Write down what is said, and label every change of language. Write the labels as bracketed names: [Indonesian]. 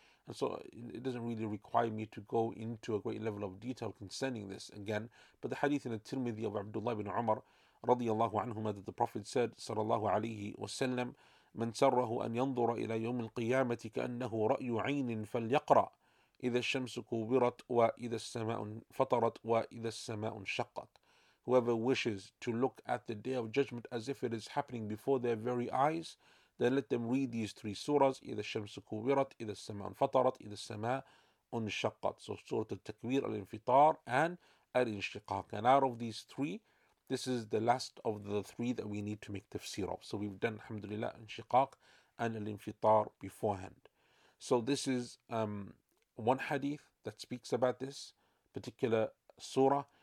[English] And so it doesn't really require me to go into a great level of detail concerning this again. But the hadith in At-Tirmidhi of Abdullah ibn Umar radiyallahu anhuma, that the Prophet said, sallallahu alayhi wa sallam, [Arabic] من سره أن ينظر إلى يوم القيامة كأنه رأي عين فليقرأ. إذا الشمس كورت وإذا السماء فطرت وإذا السماء شقت. [English] Whoever wishes to look at the Day of Judgment as if it is happening before their very eyes, then let them read these three surahs. [Arabic] إذا الشمس كورت, إذا السماء فطرت, إذا السماء شقت. [English] So Surah Al-Takwir, Al-Infitar, and Al-Inshiqaq. And out of these three, this is the last of the three that we need to make tafsir of. So we've done, alhamdulillah, Al-Inshiqaq and Al-Infitar beforehand. So this is one hadith that speaks about this particular surah.